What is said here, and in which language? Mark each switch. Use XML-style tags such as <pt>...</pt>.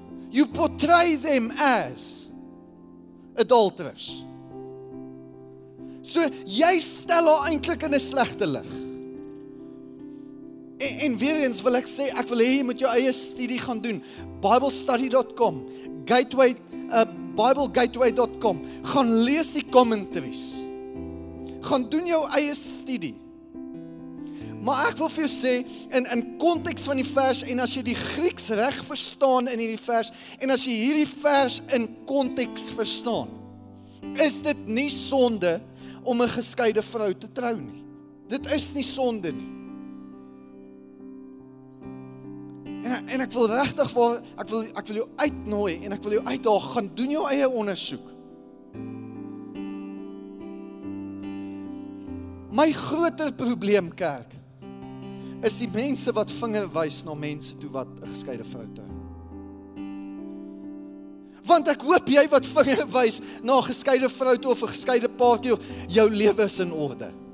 <en>You portray them as adulterers.</en> <af>So, jy stel haar eintlik in 'n slegte lig. En weer eens wil ek sê, ek wil hê jy moet jou eie studie gaan doen. BibleStudy.com, Gateway, BibleGateway.com. Gaan lees die commentaries. Gaan doen jou eie studie. Maar ek wil vir jou sê, in konteks van die vers, en as jy die Grieks reg verstaan in hierdie vers, en as jy hierdie vers in konteks verstaan, is dit nie sonde om 'n geskeide vrou te trou nie. Dit is nie sonde nie. En ek wil regtig waar, ek wil jou uitnooi en ek wil jou uitdaag, gaan doen jou eie ondersoek. My groter probleem, kerk, is die mense wat vinger wys na mense toe wat 'n geskeide vrou trou. Want ek hoop jy wat vinger wys na 'n geskeide vrou toe of 'n geskeide paartjie, jou lewe is in orde.</af>